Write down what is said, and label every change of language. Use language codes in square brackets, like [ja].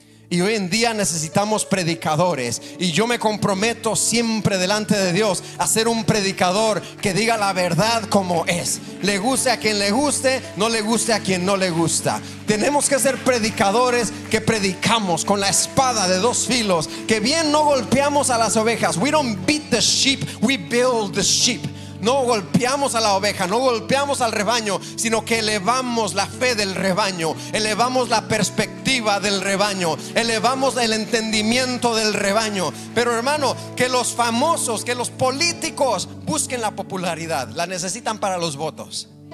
[es] Y hoy en día necesitamos predicadores, y yo me comprometo siempre delante de Dios a ser un predicador que diga la verdad como es, le guste a quien le guste, no le guste a quien no le gusta. Tenemos que ser predicadores que predicamos con la espada de dos filos, que bien no golpeamos a las ovejas. [en] We don't beat the sheep, we build the sheep. [es] No golpeamos a la oveja, no golpeamos al rebaño, sino que elevamos la fe del rebaño, elevamos la perspectiva del rebaño, elevamos el entendimiento del rebaño. Pero hermano, que los famosos, que los políticos busquen la popularidad, la necesitan para los votos.